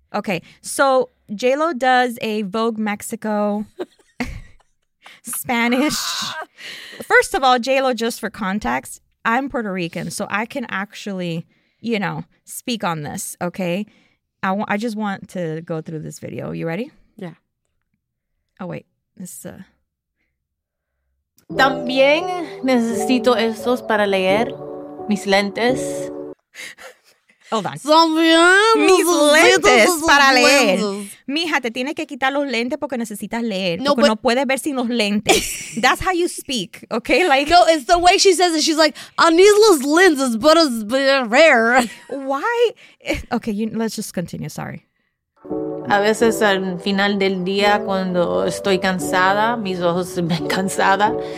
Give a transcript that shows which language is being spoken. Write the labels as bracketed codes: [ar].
[en] Okay, so J-Lo does a Vogue Mexico Spanish. First of all, J-Lo, just for context, I'm Puerto Rican, so I can actually, you know, speak on this, okay? I just want to go through this video. You ready? Yeah. Oh, wait. This is a... [es] También necesito estos para leer mis lentes. [en] Hold on. [es] También mis lentes para leer. Mija, te tienes que quitar los lentes porque necesitas leer. No, porque no puedes ver sin los lentes. [en] That's how you speak, okay? Like, no, it's the way she says it. She's like, I need [es] los lentes, [en] but it's rare. Why? Okay, let's just continue. Sorry. [es] A veces al final del día cuando estoy cansada, mis ojos se me cansada.